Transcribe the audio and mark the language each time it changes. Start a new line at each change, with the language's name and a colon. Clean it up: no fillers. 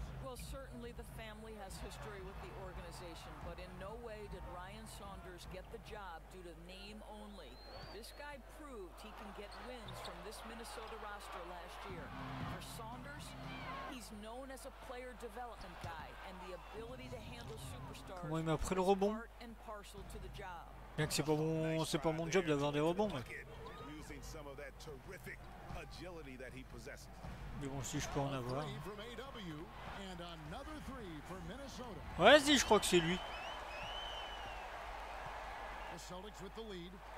English: Well, certainly the family has history with the organization, but in no way did Ryan Saunders get the job due to name only. This guy proved he can get wins from this Minnesota roster last year. For Saunders, he's known as a player development guy, and the ability to handle superstars.
French: Comment il m'a pris le rebond?
English: Part and parcel to the job.
French: Bien que c'est pas mon job d'avoir des rebonds, mais.
English: Some of that terrific agility that he possesses.
French: Mais bon, si je peux en avoir. Ouais, vas-y, je crois que c'est lui.
English: The Celtics with the lead.